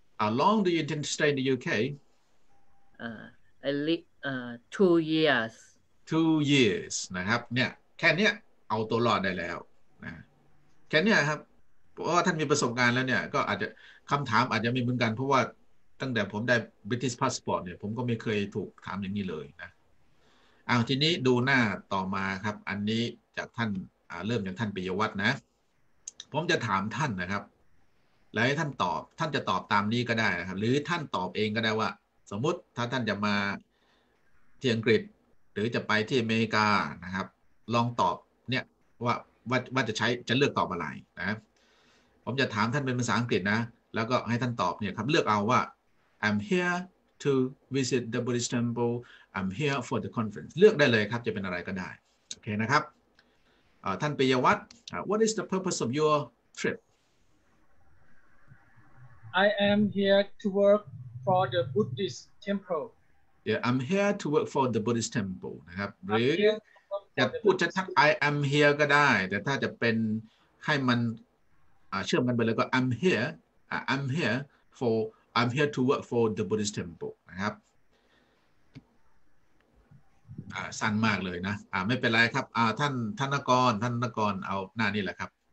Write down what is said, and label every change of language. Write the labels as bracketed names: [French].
[English] How long do you intend to stay in the UK? At least 2 years. 2 years, [Thai] นะครับเนี่ยแค่นี้เอาตัวรอดได้แล้วนะแค่นี้ครับเพราะว่าท่านมีประสบการณ์แล้วเนี่ยก็อาจจะคำถามอาจจะมีเหมือนกันเพราะว่าตั้งแต่ผมได้ British passport เนี่ยผมก็ไม่เคยถูกถามอย่างนี้เลยนะอ้าวทีนี้ดูหน้าต่อมาครับอันนี้จากท่านเริ่มจากท่านปิยวัฒน์นะผมจะถามท่านนะครับแล้วให้ท่านตอบท่านจะตอบตามนี้ก็ได้นะครับหรือท่านตอบเองก็ได้ว่าสมมติถ้าท่านจะมา ที่อังกฤษหรือจะไปที่อเมริกานะครับลองตอบเนี่ยว่าจะใช้จะเลือกตอบอะไรนะผมจะถามท่านเป็นภาษาอังกฤษนะแล้วก็ให้ท่านตอบเนี่ยครับเลือกเอาว่า [English] I'm hereTo visit the Buddhist temple, I'm here for the conference. [Thai] เลือกได้เลยครับจะเป็นอะไรก็ได้โอเคนะครับท่านปิยวัฒน์ [English] What is the purpose of your trip? I am here to work for the Buddhist temple. Yeah, I'm here to work for the Buddhist temple. [Thai] นะครับหรือจะพูดชัดๆ [English] I am here [Thai] ก็ได้แต่ถ้าจะเป็นให้มันเชื่อมกันไปเลยก็ [English] I'm here to work for the Buddhist temple [Thai] นะครับสั้นมากเลยนะไม่เป็นไรครับท่านนกรเอาหน้านี้แหละครับ